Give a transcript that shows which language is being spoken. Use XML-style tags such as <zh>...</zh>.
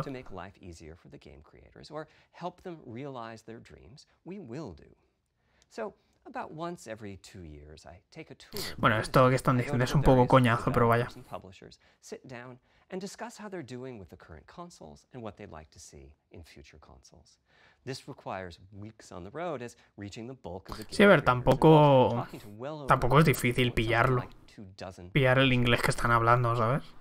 <en>To make life easier for the game creators or help them realize their dreams, we will do. So, about once every 2 years, I take a tour.</en> <es>Bueno, esto que están diciendo es un poco coñazo, pero vaya.</es> <en>Sit down and discuss how they're doing with the current consoles and what they'd like to see in future consoles. This requires weeks on the road as reaching the bulk of the game.</en> <es>Sí, a ver, tampoco es difícil pillarlo. Pillar el inglés que están hablando, ¿sabes?</es>